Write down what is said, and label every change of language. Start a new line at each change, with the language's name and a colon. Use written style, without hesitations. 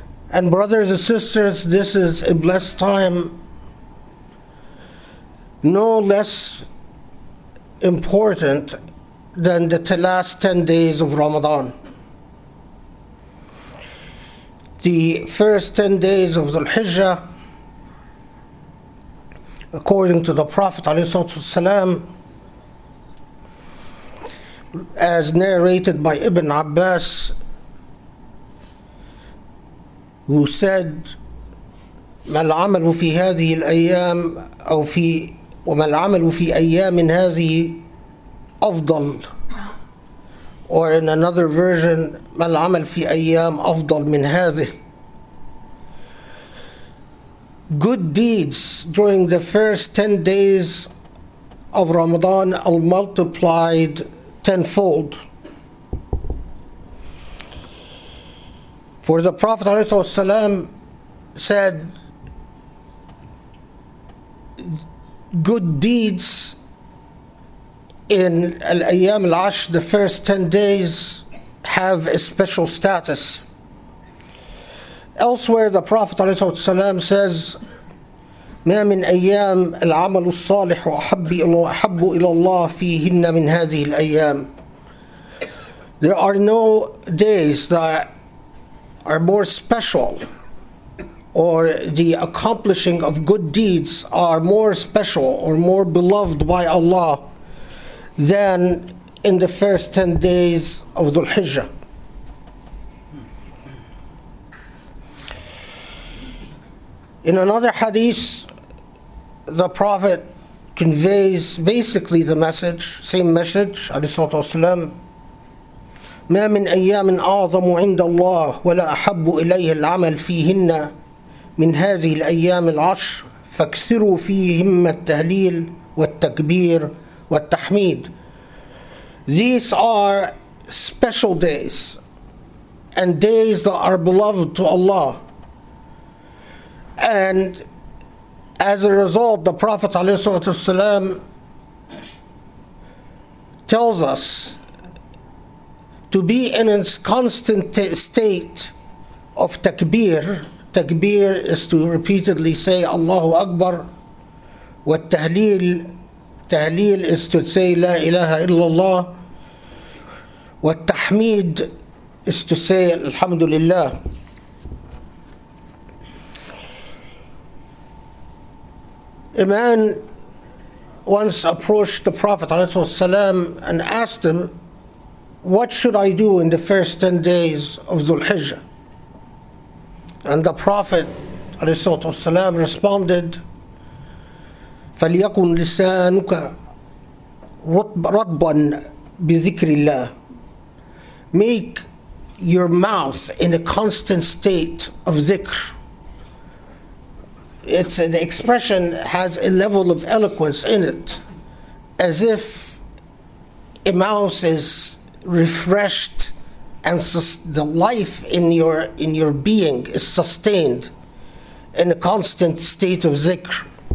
English: And brothers and sisters, this is a blessed time, no less important than the last 10 days of Ramadan. The first 10 days of Dhul-Hijjah, according to the Prophet ﷺ, as narrated by Ibn Abbas, who said,
Arabic: ما العمل في هذه الأيام أو في وما العمل في أيام هذه أفضل,
English: or in another version,
Arabic: ما العمل في أيام أفضل من هذه.
English: Good deeds during the first 10 days of Ramadan are multiplied tenfold. For the Prophet ﷺ said, good deeds in Al-Ayyam Al-Ash, the first 10 days, have a special status. Elsewhere, the Prophet ﷺ says,
Arabic: مَا مِنْ أَيَّامِ الْعَمَلُ الصَّالِحُ أَحَبُّ إِلَى اللَّهِ فِيهِنَّ مِنْ هَذِهِ الْأَيَّامِ.
English: There are no days that are more special or the accomplishing of good deeds are more special or more beloved by Allah than in the first 10 days of Dhul Hijjah. In another hadith, the Prophet conveys basically the message, same message,
Arabic: alayhi salatu wasalam, ما من أيام أعظم عند الله ولا أحب إليه العمل فيهن من هذه الأيام العشر فاكثروا فيهم التهليل والتكبير والتحميد.
English: These are special days and days that are beloved to Allah. And as a result, the Prophet ﷺ tells us to be in a constant state of takbir. Takbir is to repeatedly say Allahu Akbar. Wa tahleel, tahleel is to say La ilaha illallah. Wa tahmeed is to say Alhamdulillah. A man once approached the Prophet ﷺ and asked him, what should I do in the first 10 days of Dhul Hijjah? And the Prophet ﷺ responded,
Arabic: فَلْيَكُنْ لِسَانُكَ رَطْبًا بِذِكْرِ اللَّهِ.
English: Make your mouth in a constant state of dhikr. It's the expression has a level of eloquence in it, as if a mouth is refreshed and the life in your being is sustained in a constant state of zikr.